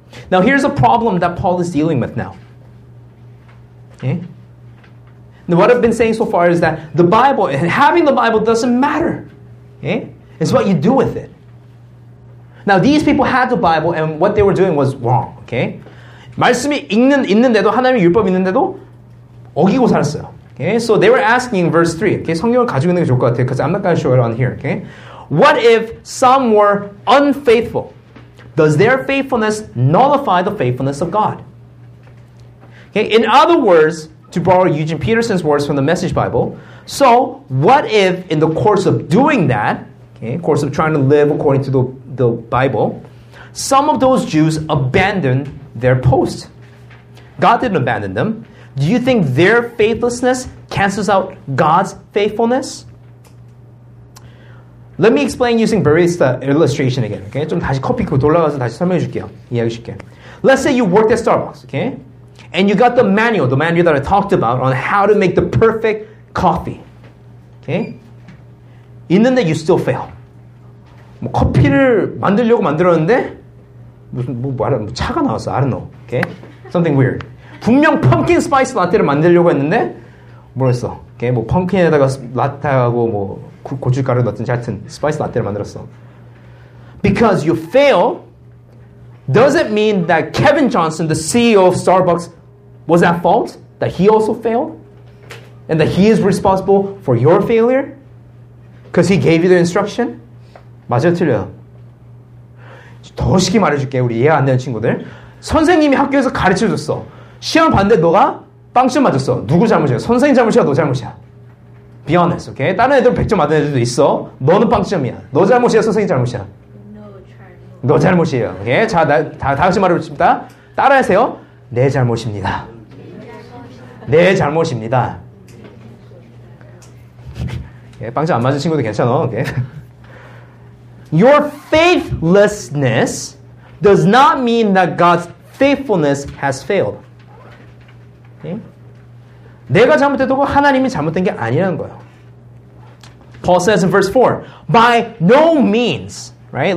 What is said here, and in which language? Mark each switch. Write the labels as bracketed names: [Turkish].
[English] Now here's a problem that Paul is dealing with now. Okay? Now what I've been saying so far is that the Bible, and having the Bible doesn't matter. Okay? It's what you do with it. Now, these people had the Bible, and what they were doing was wrong, okay? [Korean] 말씀이 있는데도, 하나님의 율법이 있는데도 어기고 살았어요, okay? [English] So they were asking, verse 3, okay? [Korean] 성경을 가지고 있는 게 좋을 것 같아요, [English] because I'm not going to show it on here, okay? What if some were unfaithful? Does their faithfulness nullify the faithfulness of God? Okay, in other words, to borrow Eugene Peterson's words from the Message Bible, so what if in the course of doing that, okay, course of trying to live according to the Bible, some of those Jews abandoned their post. God didn't abandon them. Do you think their faithlessness cancels out God's faithfulness? Let me explain using barista illustration again. [Korean] Okay, 좀 다시 커피 그 돌아가서 다시 설명해 줄게요. 이해해 줄게. [English] Let's say you worked at Starbucks, okay, and you got the manual that I talked about on how to make the perfect coffee, okay. [Korean] 있는데 [English] you still fail. [Korean] 뭐 커피를 만들려고 만들었는데 무슨 뭐 차가 나왔어. [English] I don't know. Okay? Something weird. [Korean] 분명 펌킨 스파이스 라떼를 만들려고 했는데 뭐랬어. [English] Okay? [Korean] 뭐 펌킨에다가 라떼하고 뭐 고춧가루 넣든지 하여튼 스파이스 라떼를 만들었어. [English] Because you fail doesn't mean that Kevin Johnson, the CEO of Starbucks, was at fault, that he also failed, and that he is responsible for your failure. Because he gave you the instruction? [Korean] 맞아요, 틀려요? 더 쉽게 말해줄게요, 우리 이해 안 되는 친구들. 선생님이 학교에서 가르쳐줬어. 시험을 봤는데 너가 빵점 맞았어. 누구 잘못이야? 선생님 잘못이야? 너 잘못이야? [English] Be honest, [Korean] okay? 다른 애들 100점 맞은 애들도 있어. 너는 빵점이야. 너 잘못이야? 선생님 잘못이야? No, 잘못. 너 잘못이에요, okay? 자, 다 같이 말해봅시다. 따라하세요. 내 잘못입니다. 내 잘못입니다. 빵점 안 맞은 친구도 괜찮아. [English] Okay. Your faithlessness does not mean that God's faithfulness has failed. Okay? [Korean] 내가 잘못했다고 하나님이 잘못된 게 아니라는 거예요. [English] Paul says in verse 4, by no means, Right?